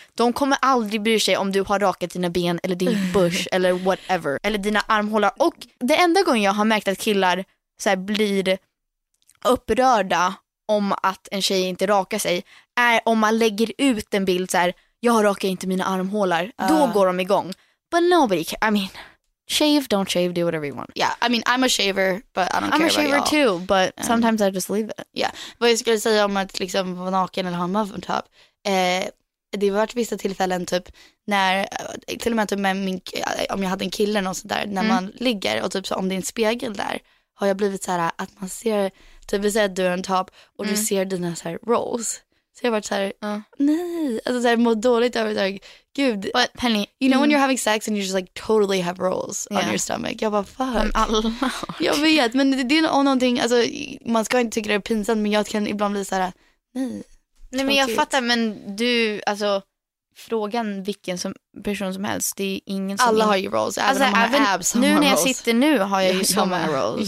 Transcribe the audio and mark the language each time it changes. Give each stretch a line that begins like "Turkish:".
Swedish: De kommer aldrig bry sig om du har rakat dina ben eller din bush eller whatever. Eller dina armhålar. Och det enda gången jag har märkt att killar så här blir upprörda om att en tjej inte rakar sig är om man lägger ut en bild så här, jag rakar inte mina armhålar. Då går de igång.
English: But nobody can, I mean... Shave, don't shave, do whatever you want. Yeah, I mean, I'm a shaver, but I don't care about y'all. I'm a shaver too, but sometimes I just leave it.
Swedish: Yeah, vad jag skulle säga om att liksom vara naken eller ha en muffin top. Det har varit vissa tillfällen typ när, till och med typ med min, om jag hade en kille och så där, när man ligger och typ så om det är en spegel där, har jag blivit så här att man ser, typ vi säger att du har en top och du ser dina så här rolls. Så jag har varit såhär, nej. Alltså såhär, mått dåligt. Jag har varit såhär, gud.
English: But Penny, you know when you're having sex and you just like totally have rolls on your stomach.
Swedish: Jag bara, fuck.
English: I'm out loud.
Swedish: Jag vet, men det är nog någonting, alltså man ska inte tycka det är pinsamt, men jag kan ibland bli såhär, nej. Men jag fattar, men du, alltså, frågan vilken som person som helst, det är ingen som... Alla har ju rolls, alltså, även om man har abs. Nu när jag sitter nu har jag ju så många rolls.